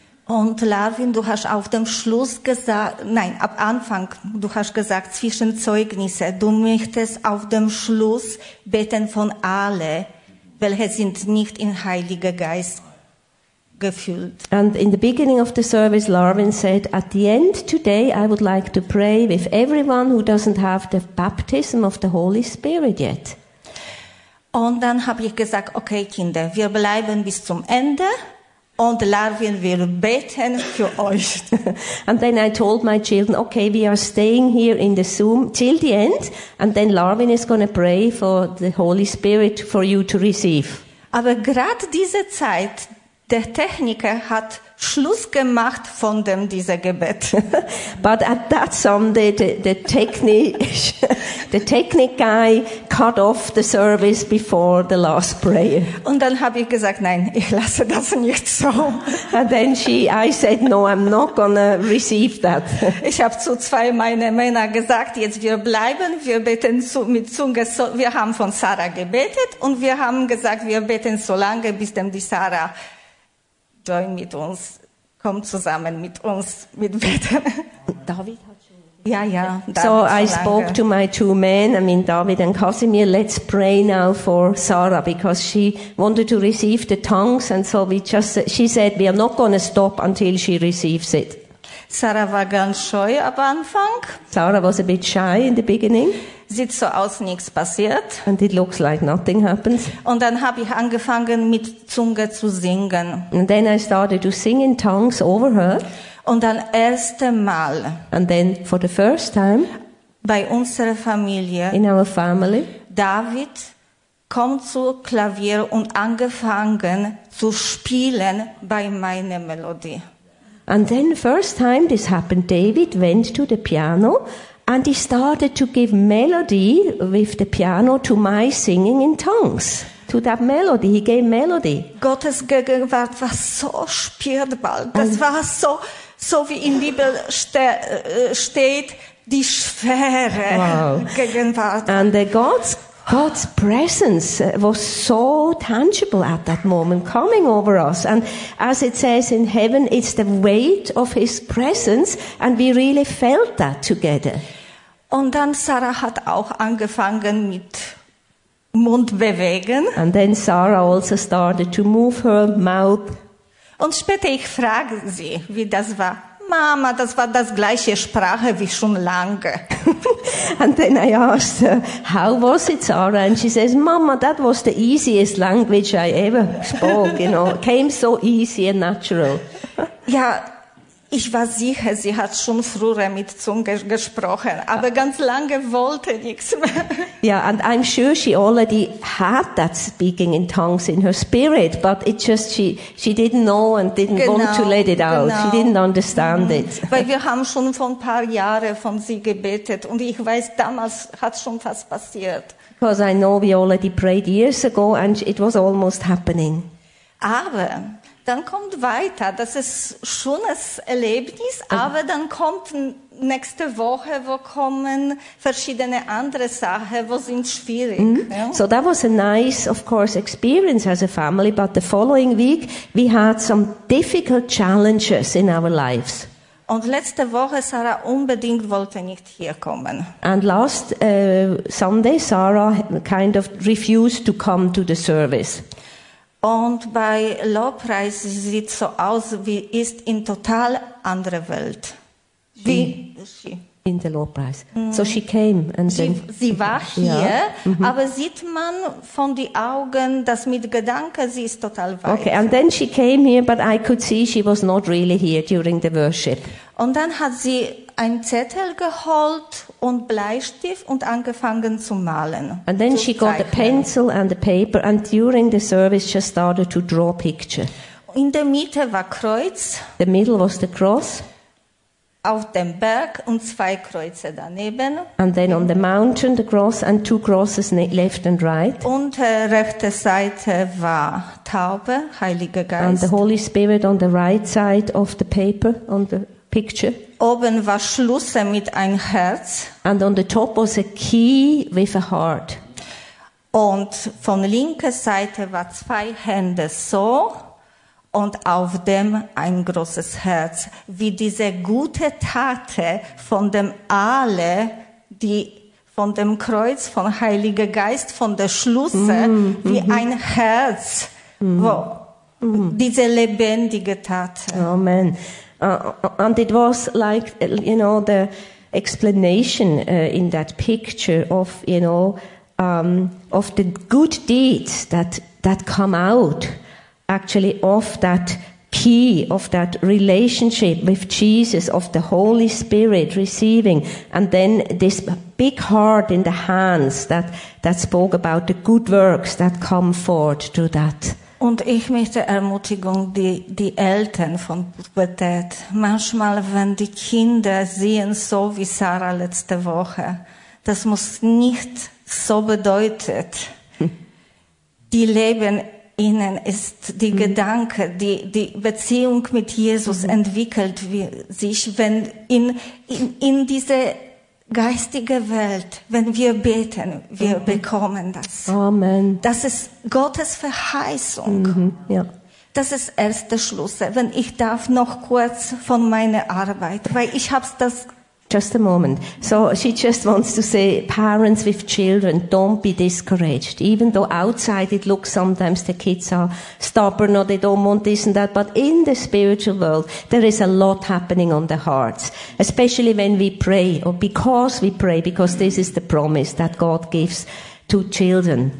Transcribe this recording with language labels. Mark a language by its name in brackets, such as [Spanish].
[German] Und Larvin, du hast auf dem Schluss gesagt, nein, ab Anfang, du hast gesagt, zwischen Zeugnisse, du möchtest auf dem Schluss beten von alle, welche sind nicht in Heiliger Geist gefüllt. [English] And in the beginning of the service, Larvin said, at the end today, I would like to pray with everyone who doesn't have the baptism of the Holy Spirit yet. [German] Und dann habe ich gesagt, okay, Kinder, wir bleiben bis zum Ende. Und Larvin will beten für euch. [English] And then I told my children, okay, we are staying here in the Zoom till the end, and then Larvin is going to pray for the Holy Spirit for you to receive. [German] Aber gerade diese Zeit, der Techniker hat Schluss gemacht von dem dieser Gebet. [English] But at that Sunday, the technic guy cut off the service before the last prayer. [German] Und dann habe ich gesagt, nein, ich lasse das nicht so. [English] And then I said, no, I'm not gonna receive that. [German] Ich habe zu zwei meiner Männer gesagt, jetzt wir bleiben, wir beten mit Zunge. Wir haben von Sarah gebetet und wir haben gesagt, wir beten so lange, bis dem die Sarah join mit uns, komm zusammen mit uns, mit Beten. David hat schon. Ja. [English] So I spoke to my two men, I mean David and Casimir, let's pray now for Sarah, because she wanted to receive the tongues, and so she said, we are not going to stop until she receives it. [German] Sarah war ganz scheu am Anfang. [English] Sarah was a bit shy in the beginning. [German] Sieht so aus, nichts passiert. [English] And it looks like nothing happens. [German] Und dann habe ich angefangen, mit Zunge zu singen. [English] And then I started to sing in tongues over her. [German] Und dann erste Mal. [English] And then for the first time. [German] Bei unserer Familie. [English] In our family. [German] David kommt zu Klavier und angefangen zu spielen bei meiner Melodie. [English] And then first time this happened, David went to the piano and he started to give melody with the piano to my singing in tongues. To that melody, he gave melody. [German] Gottes Gegenwart war so spürbar. Das war so wie in Bibel steht, die Schwere. Wow. Gegenwart. [English] And God's presence was so tangible at that moment, coming over us. And as it says in heaven, it's the weight of his presence, and we really felt that together. [German] Und dann Sarah hat auch angefangen mit Mund bewegen. [English] And then Sarah also started to move her mouth. [German] Und später ich frage sie, wie das war. Mama, das war das gleiche Sprache wie schon lange. [English] And then I asked her, how was it, Sarah? And she says, Mama, that was the easiest language I ever spoke, you know. It came so easy and natural. [German] Ja, ich war sicher, sie hat schon früher mit Zunge gesprochen, aber ganz lange wollte nichts mehr. [English] Yeah, and I'm sure she already had that speaking in tongues in her spirit, but it just she didn't know and didn't want to let it out. She didn't understand it. [German] Weil wir haben schon vor ein paar Jahren von sie gebetet und ich weiß, damals hat schon fast passiert. [English] Because I know we already prayed years ago and it was almost happening. [German] Aber dann kommt weiter. Das ist schönes Erlebnis, aber dann kommt nächste Woche, wo kommen verschiedene andere Sachen, wo sind schwierig. [English] Mm. Yeah? So that was a nice, of course, experience as a family, but the following week we had some difficult challenges in our lives. [German] Und letzte Woche Sarah unbedingt wollte nicht hier kommen. [English] And last Sunday Sarah kind of refused to come to the service. [German] Und bei Lobpreis sieht so aus, wie ist in total andere Welt. [English] Wie she. In the Lobpreis. Mm. So she came and [German] sie, [English] then. [German] Sie war hier, ja. Mm-hmm. Aber sieht man von die Augen, dass mit Gedanken sie ist total weit. [English] Okay, and then she came here, but I could see she was not really here during the worship. [German] Und dann hat sie ein Zettel geholt und Bleistift und angefangen zu malen. [English] And then she got a pencil and a paper and during the service she started to draw picture. [German] In der Mitte war Kreuz. [English] The middle was the cross. [German] Auf dem Berg und zwei Kreuze daneben. [English] And then on the mountain the cross and two crosses left and right. [German] Und rechte Seite war Taube, Heiliger Geist. [English] And the Holy Spirit on the right side of the paper on the picture. [German] Oben war Schlüssel mit ein Herz. [English] And on the top was a key with a heart. [German] Und von linker Seite war zwei Hände so und auf dem ein großes Herz, wie diese gute Taten von dem Aale, die von dem Kreuz, von Heiliger Geist, von der Schlüssel, wie ein Herz, wo diese lebendige Taten. Amen. [English] And it was like, you know, the explanation in that picture of, you know, of the good deeds that come out actually of that key, of that relationship with Jesus, of the Holy Spirit receiving, and then this big heart in the hands that spoke about the good works that come forth through that. [German] Und ich möchte Ermutigung, die Eltern von Pubertät. Manchmal, wenn die Kinder sehen, so wie Sarah letzte Woche, das muss nicht so bedeuten. Die Leben ihnen ist die Gedanke, die Beziehung mit Jesus entwickelt sich, wenn in diese geistige Welt, wenn wir beten, wir bekommen das. Amen. Das ist Gottes Verheißung. Mm-hmm. Ja. Das ist erste Schlüssel. Wenn ich darf noch kurz von meiner Arbeit, weil ich hab's das. [English] Just a moment. So she just wants to say, parents with children, don't be discouraged. Even though outside it looks sometimes the kids are stubborn or they don't want this and that, but in the spiritual world, there is a lot happening on the hearts, especially when we pray, or because we pray, because this is the promise that God gives to children.